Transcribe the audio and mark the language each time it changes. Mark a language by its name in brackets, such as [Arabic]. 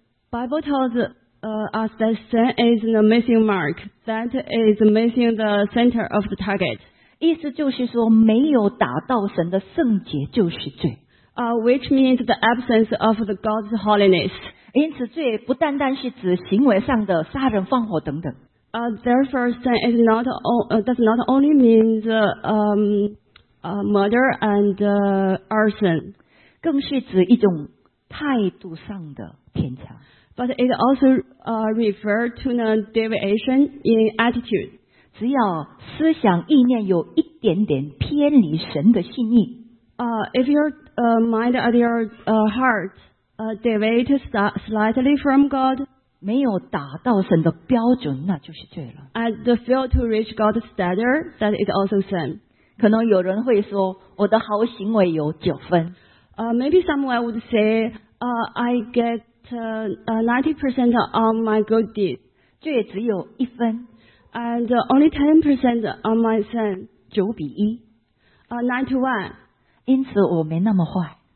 [English] The Bible tells us that sin is the missing mark, that is missing the center of the target. [Chinese] 意思就是说没有打到神的圣洁就是罪。 [English] Which means the absence of the God's holiness. [Chinese] 因此罪不单单是指行为上的杀人放火等等。 [English] Therefore, sin is not, does not only mean the, murder and arson. [Chinese] 更是指一种态度上的偏差。 [English] But it also refer to the deviation in attitude. [Chinese] 只要思想意念有一点点偏离神的心意。 [English] If your mind and your heart deviate slightly from God, [Chinese] 没有达到神的标准，那就是罪了。 [English] And fail to reach God's standard, that is also sin. [Chinese] 可能有人会说，我的好行为有九分。 [English] Maybe someone would say, I get 90% on my good deed. [Chinese] 罪只有一分。 [English] And only 10% on my sin. [Chinese] 9:1。 [English] 9:1。 [Chinese] 因此我没那么坏。